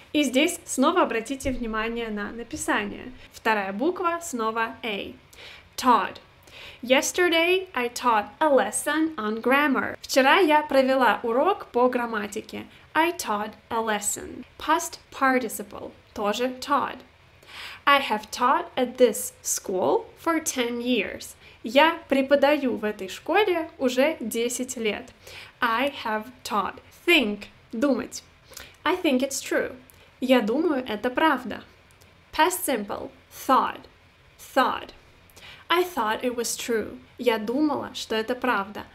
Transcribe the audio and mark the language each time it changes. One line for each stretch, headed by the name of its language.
Russian: И здесь снова обратите внимание на написание. Вторая буква снова A.
English: Taught. Yesterday I taught a lesson on grammar.
Russian: Вчера я провела урок по грамматике.
English: I taught a lesson. Past participle.
Russian: Тоже
English: taught. I have taught at this school for 10 years.
Russian: Я преподаю в этой школе уже 10 лет.
English: I have taught. Think.
Russian: Думать.
English: I think it's true.
Russian: Я думаю, это правда.
English: Past simple. Thought. Thought. I thought it was true.
Russian: Я думала, что это правда.